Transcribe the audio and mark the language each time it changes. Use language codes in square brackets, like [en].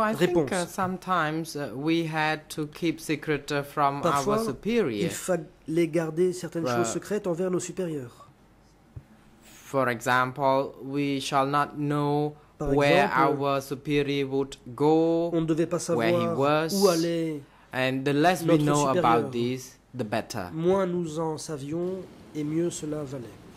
[en] I think sometimes we had to keep secret from our superiors. [fr] Parfois, il fallait garder certaines choses secrètes envers nos supérieurs. [en] For example, we shall not know where our superior would go. [fr] On ne devait pas savoir où allait. [en] And the less we know about this, the better. [fr] Moins nous en savions, et mieux cela valait.